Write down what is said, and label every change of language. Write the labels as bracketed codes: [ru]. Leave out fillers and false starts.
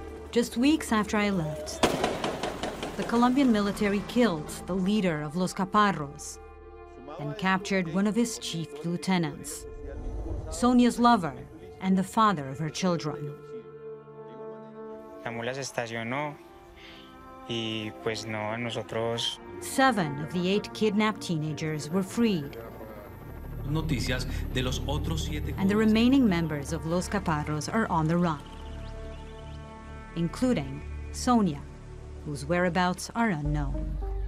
[en] Just weeks after I left, the Colombian military killed the leader of Los Caparros and captured one of his chief lieutenants, Sonia's lover and the father of her children. [es] La mula se estacionó y pues no a nosotros. [en] Seven of the eight kidnapped teenagers were freed. [es] Noticias de los otros siete. [en] And the remaining members of Los Caparros are on the run, including Sonia, whose whereabouts are unknown.